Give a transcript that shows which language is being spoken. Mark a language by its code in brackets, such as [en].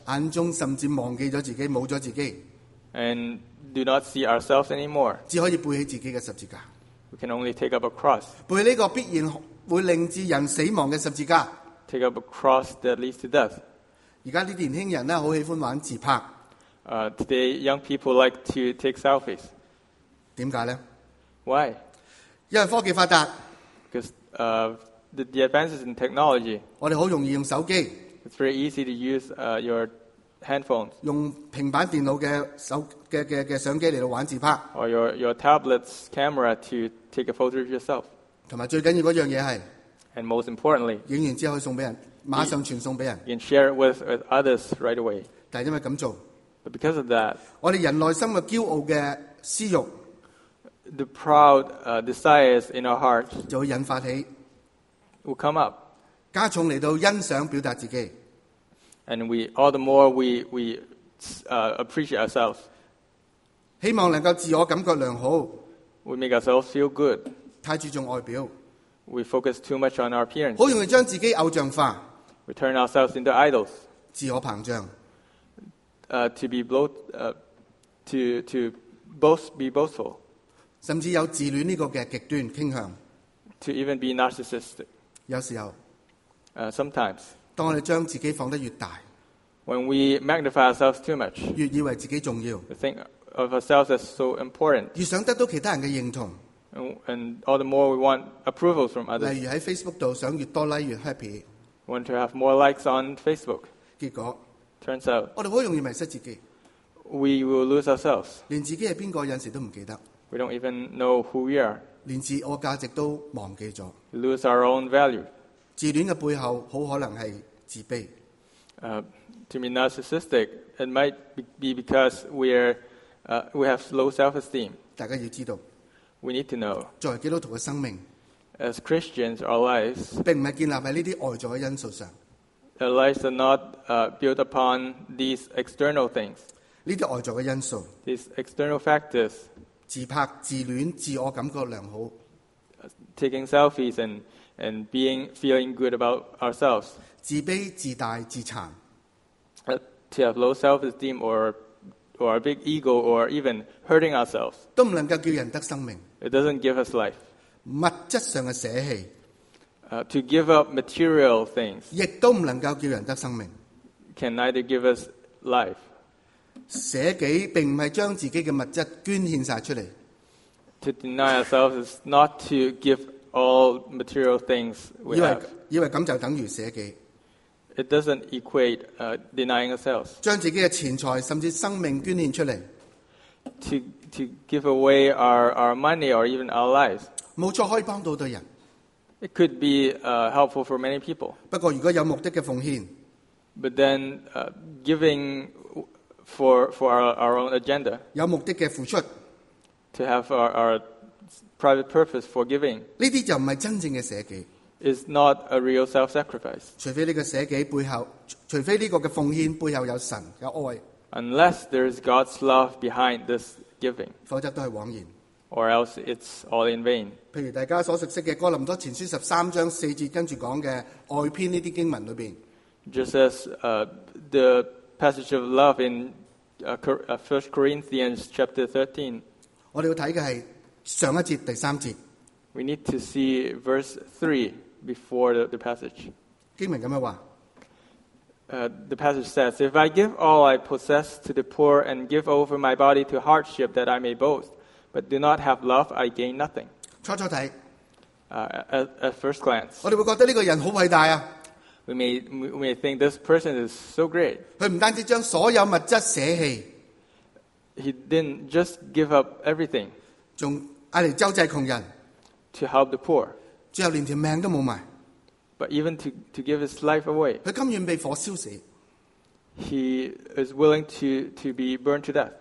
[zh] 眼中甚至忘记了自己，没了自己。 [en] And do not see ourselves anymore. [zh] 只可以背起自己的十字架。 [en] We can only take up a cross. [zh] 背这个必然会令至人死亡的十字架。 [en] Take up a cross that leads to death. [zh] 现在的年轻人很喜欢玩自拍。 [en] Today, young people like to take selfies. [zh] 为什么呢？ [en] Why? [zh] 因为科技发达。 [en] Because the advances in technology. [zh] 我们很容易用手机。 [en] It's very easy to use your handphones. [zh] 用平板电脑的相机来玩自拍。 [en] Or your tablet's camera to take a photo of yourself. [zh] 还有最重要的一件事是。 [en] And most importantly. [zh] 拍完之后可以送给人，马上传送给人。 [en] You can share it with others right away. [zh] 但是因为这样做。 [en] But because of that. [zh] 我们人内心的骄傲的私欲。 [en] The proud desires in our hearts [zh] 就会引发起 [en] will come up [zh] 加重来到欣赏表达自己 [en] and we all the more we appreciate ourselves [zh] 希望能够自我感觉良好 [en] we make ourselves feel good [zh] 太注重外表 [en] we focus too much on our appearance [zh] 好容易将自己偶像化 [en] we turn ourselves into idols [zh] 自我膨胀 [en] to be boastful [zh] 甚至有自恋这个的极端倾向 [en] to even be narcissistic [zh] 有时候 [en] sometimes [zh] 当我们将自己放得越大 [en] When we magnify ourselves too much, [zh] 越以為自己重要, [en] we think of ourselves as so important, [zh] 越想得到其他人的認同, [en] and all the more we want approvals from others. [zh] 例如在 Facebook 上想越多 like 越 [en] happy, want to have more likes on Facebook. [zh] 結果, [en] turns out, [zh] 我們很容易迷失自己, [en] we will lose ourselves. [zh] 連自己是誰有時都不記得, [en] we don't even know who we are. [zh] 連自我價值都忘記了, [en] lose our own value. [zh] 自戀的背後很可能是自卑。 [en] To be narcissistic, it might be because we have low self-esteem. [zh] 大家要知道, [en] we need to know, [zh] 作為基督徒的生命, [en] as Christians, our lives, [zh] 並不是建立在這些外在的因素上, [en] our lives are not built upon these external things, [zh] 這些外在的因素, [en] these external factors, [zh] 自拍、自戀、自我感覺良好, [en] taking selfies and being feeling good about ourselves, [zh] 自卑、自大、自殘。 [en] To have low self-esteem or a big ego or even hurting ourselves. [zh] 都不能够叫人得生命。 [en] It doesn't give us life. [zh] 物质上的舍弃。 [en] To give up material things. [zh] 亦都不能够叫人得生命。 [en] Can neither give us life. [zh] 舍己并不是将自己的物质捐献出来。 [en] To deny ourselves is not to give all material things we have. [zh] 以为这样就等于舍己。 [en] It doesn't equate denying ourselves. [zh] 将自己的钱财甚至生命捐献出来。 [en] To give away our money or even our lives. [zh] 没错，可以帮到的人。 [en] It could be helpful for many people. [zh] 不过如果有目的的奉献。 [en] But then giving for our own agenda. [zh] 有目的的付出。 [en] To have our private purpose for giving. [zh] 这些就不是真正的舍己。 [en] Is not a real self-sacrifice. [zh] 除非这个舍己背后，除非这个的奉献背后有神，有爱。 [en] Unless there is God's love behind this giving. [zh] 否则都是枉然。 [en] Or else it's all in vain. [zh] 譬如大家所熟悉的哥林多前书十三章四节跟着讲的爱篇这些经文里面。 [en] Just as the passage of love in 1 Corinthians chapter 13. [zh] 我们要看的是上一节第三节。 [en] We need to see verse 3 before the passage. [zh] 经文这样说, [en] the passage says, If I give all I possess to the poor and give over my body to hardship that I may boast, but do not have love, I gain nothing. [zh] 初初看, [en] at first glance, [zh] 我们会觉得这个人很伟大啊。 [en] We may think this person is so great. [zh] 他不单止将所有物质舍弃, [en] He didn't just give up everything. [zh] 还要来救济穷人。 [en] To help the poor. [zh] 最后连条命都没卖。 [en] But even to give his life away. [zh] 他甘愿被火烧死。 [en] He is willing to be burned to death.